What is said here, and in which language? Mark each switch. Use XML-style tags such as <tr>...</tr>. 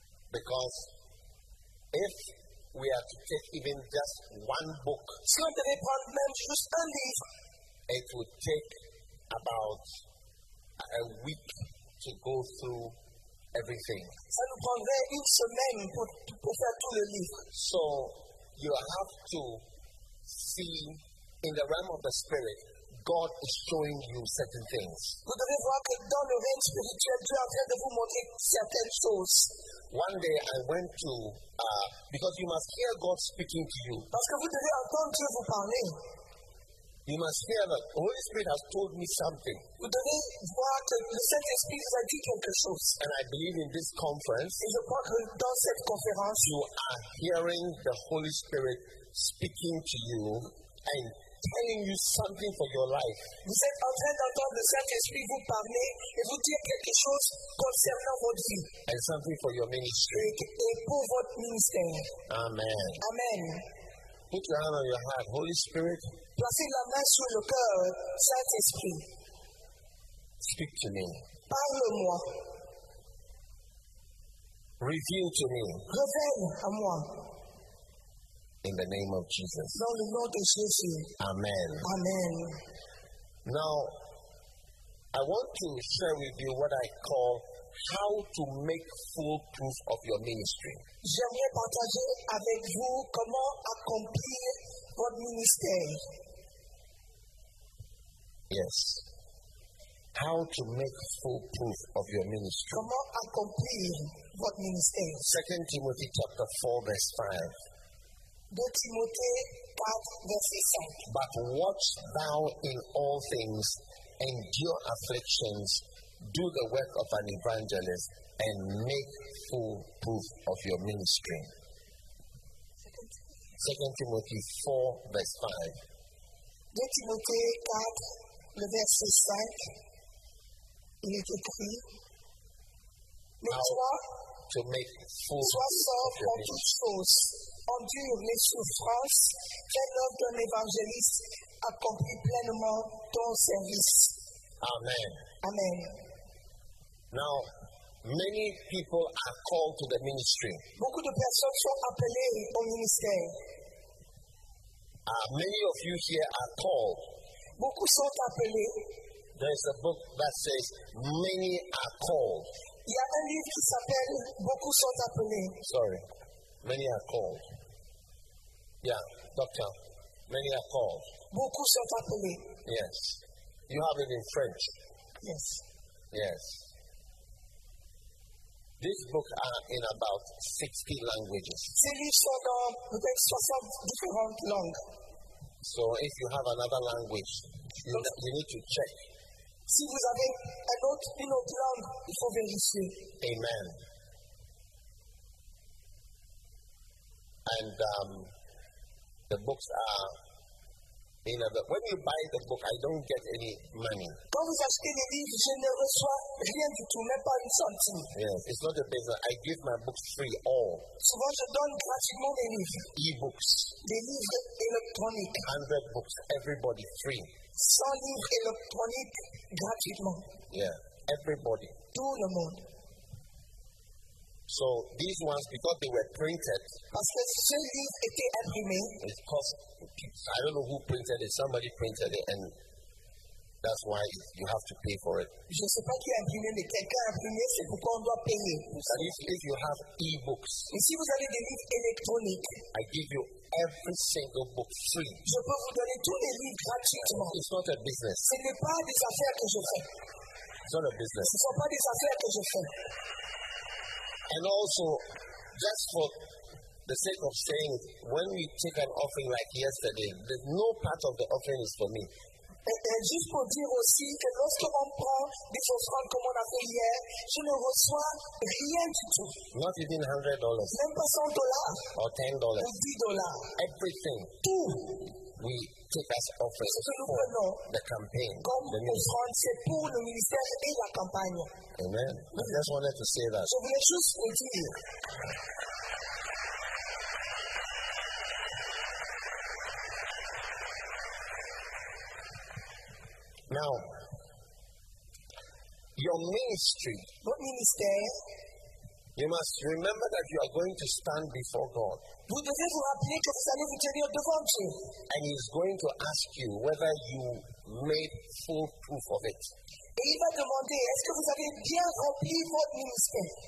<en>Because if we are to take even just one book,</en> <fr>si on devait prendre même juste un livre,</fr> <en>it would take about a week to go through everything.</en> <fr>Ça nous prendrait une semaine pour faire tout le livre.</fr> <en>So you have to see in the realm of the spirit, God is showing you certain things.</en> <fr>Vous devez voir que dans le règne spirituel, Dieu est en train de vous montrer certaines choses.</fr> <en>One day I went to because you must hear God speaking to you.</en> <fr>Parce que vous devez entendre Dieu vous parler.</fr> <en>You must hear that the Holy Spirit has told me something.</en> <fr>Vous devez voir que le Saint-Esprit vous a dit quelque chose.</fr> <en>And I believe in this conference.</en> <fr>Et je crois que dans cette conférence,</fr> <en>you are hearing the Holy Spirit speaking to you and telling you something for your life.</en> <fr>Vous êtes en train d'entendre le Saint-Esprit vous parler et vous dire quelque chose concernant votre vie.</fr> <en>And something for your ministry.</en> <fr>Et pour votre ministère. Amen. Amen.</fr> <en>Put your hand on your heart, Holy Spirit.</en> <fr>Placez la main sur le cœur, Saint-Esprit.</fr> <en>Speak to me.</en> <fr>Parle-moi.</fr> <en>Reveal to me.</en> <fr>Révèle à moi.</fr> <en>In the name of Jesus.</en> <fr>Dans le nom de Jésus. Amen. Amen.</fr> <en>Now, I want to share with you what I call how to make full proof of your ministry.</en> <fr>J'aimerais partager avec vous comment accomplir votre ministère.</fr> <en>Yes. How to make full proof of your ministry.</en> <fr>Comment accomplir votre ministère.</fr> <en>2 Timothy chapter 4 verse 5.</en> <fr>2 Timothée 4 verset 5.</fr> <en>But watch thou in all things, endure afflictions, do the work of an evangelist, and make full proof of your ministry. 2 Timothy 4 verse 5.</en> <fr>2 Timothée 4 le verset 5, il est écrit, mais toi, sois fort pour toutes choses, endure les souffrances, fais l'œuvre d'un évangéliste, accomplis pleinement ton service. Amen. Amen.</fr> <en>Now, many people are called to the ministry.</en> <fr>Beaucoup de personnes sont appelées au ministère.</fr> <en>Many of you here are called.</en> <fr>Beaucoup sont appelés.</fr> <en>There is a book that says many are called.</en> <fr>Il y a un livre qui s'appelle Beaucoup sont appelés.</fr> <en>Sorry. Many are called. Yeah, doctor. Many are called.</en> <fr>Beaucoup sont appelés.</fr> <en>Yes. You have it in French. Yes. Yes. These books are in about 60 languages.</en> <fr>Ces livres sont dans peut-être 60 différentes langues.</fr> <en>So if you have another language, you need to check.</en> <fr>Si vous avez une autre langue, il faut vérifier. Amen.</fr> <en>And the books are in other. When you buy the book, I don't get any money.</en> <fr>Quand vous achetez des livres, je ne reçois rien du tout, même pas une centime.</fr> <en>Yes, it's not a business. I give my books free, all.</en> <fr>Souvent, je donne gratuitement des livres.</fr> <en>E-books.</en> <fr>Des livres électroniques.</fr> <en>100 books, everybody free.</en> <fr>100 livres électroniques gratuitement.</fr> <en>Yeah, everybody.</en> <fr>Tout le monde.</fr> <en>So these ones, because they were printed,</en> <fr>parce que ces livres étaient imprimés,</fr> <en>it cost, I don't know who printed it, somebody printed it, and that's why you have to pay for it.</en> <fr>Je ne sais pas qui a imprimé, mais quelqu'un a imprimé, c'est pourquoi on doit payer.</fr> <en>And if you have e-books,</en> <fr>et si vous avez des livres électroniques,</fr> <en>I give you every single book free.</en> <fr>Je peux vous donner tous les livres gratuitement.</fr> <en>It's not a business.</en> <fr>Ce n'est pas des affaires que je fais.</fr> <en>It's not a business.</en> <fr>Ce ne sont pas des affaires que je fais.</fr> <en>And also, just for the sake of saying it, when we take an offering like yesterday, there's no part of the offering is for me.</en> <fr>Et juste pour dire aussi que lorsque on prend des offrandes comme on a fait hier, je ne reçois rien du tout.</fr> <en>Not even $100.</en> <fr>Même pas $100.</fr> <en>Or $10. Everything.</en> <fr>Tout.</fr> <en>We take as offering.</en> <fr>Ce que nous prenons.</fr> <en>The campaign.</en> <fr>Comme offrande, c'est pour le ministère et la campagne.</fr> <en>Amen. I just wanted to say that.</en> <fr>Je voulais juste vous dire.</fr> <en>Now, your ministry. What ministry? You must remember that you are going to stand before God.</en> <fr>Vous devez vous rappeler que vous allez vous tenir devant Dieu.</fr> <en>And He is going to ask you whether you made full proof of it.</en> <fr>Et il va demander, est-ce que vous avez bien rempli votre ministère?</fr>